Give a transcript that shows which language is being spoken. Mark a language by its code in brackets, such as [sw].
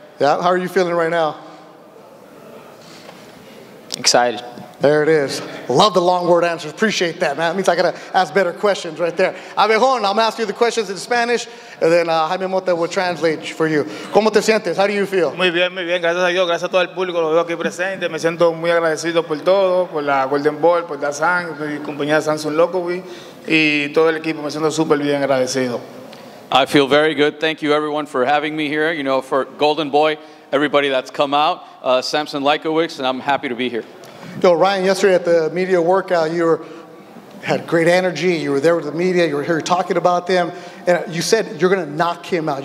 [en] Yeah, how are you feeling right now? Excited. There it is. Love the long word answers. Appreciate that, man. That means I got to ask better questions right there. Abejón, I'm going to ask you the questions in Spanish, and then Jaime Mota will translate for you. [es] ¿Cómo te sientes? [en] How do you feel? [es] Muy bien, muy bien. Gracias a Dios. Gracias a todo el público. Lo veo aquí presente. Me siento muy agradecido por todo, por la Golden Ball, por Dazan, mi compañía Samsung Loco, y todo el equipo. Me siento súper bien agradecido. [en] I feel very good. Thank you, everyone, for having me here. You know, for Golden Boy, everybody that's come out, Samson Lykowicz, and I'm happy to be here. Yo, Ryan, yesterday at the media workout, you had great energy. You were there with the media. You were here talking about them. And you said you're going to knock him out.